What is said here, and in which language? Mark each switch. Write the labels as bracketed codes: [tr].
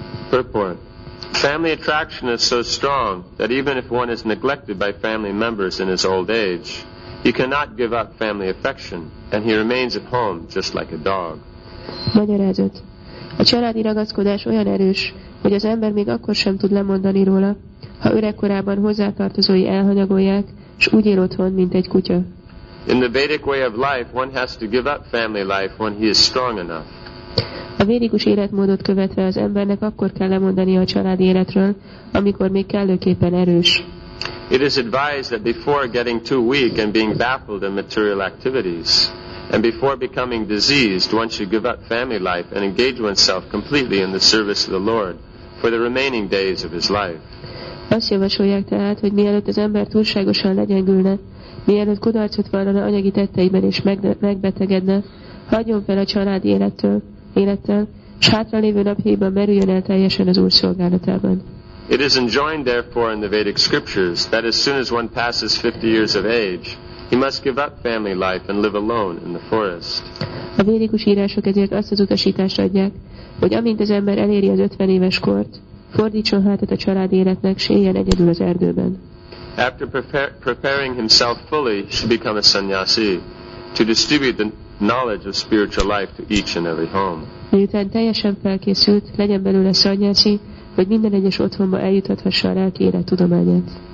[en] Purport. Family attraction is so strong that even if one is neglected by family members in his old age, he cannot give up family affection, and he remains at home just like a dog. [hu] Magyarázat. A családi ragaszkodás olyan erős, hogy az ember még akkor sem tud lemondani róla, ha öregkorában hozzátartozói elhanyagolják, és úgy él otthon, mint egy kutya. [en] In the Vedic way of life, one has to give up family life when he is strong enough. [hu] A védikus életmódot követve az embernek akkor kell lemondani a családi életről, amikor még kellőképpen erős. [en] It is advised that before getting too weak and being baffled in material activities, and before becoming diseased, one should give up family life and engage oneself completely in the service of the Lord for the remaining days of his life. [hu] Azt javasolják tehát, hogy mielőtt az ember túlságosan legyengülne, mielőtt kudarcot vallana anyagi tetteiben és megbetegedne, hagyjon fel a családi élettel, s hátralévő napjaiban merüljön el teljesen az Úr szolgálatában. [en] It is enjoined, therefore, in the Vedic scriptures that as soon as one passes 50 years of age, he must give up family life and live alone in the forest. [hu] A védikus írások ezért azt az utasítást adják, hogy amint az ember eléri az 50 éves kort, fordítson hátat a család életnek, s éljen egyedül az erdőben. [en] After preparing himself fully, he should become a sannyasi, to distribute the knowledge of spiritual life to each and every home. [hu] Miután teljesen felkészült, legyen belőle sannyasi, hogy minden egyes otthonba eljuthathassa a lelki élet tudományát.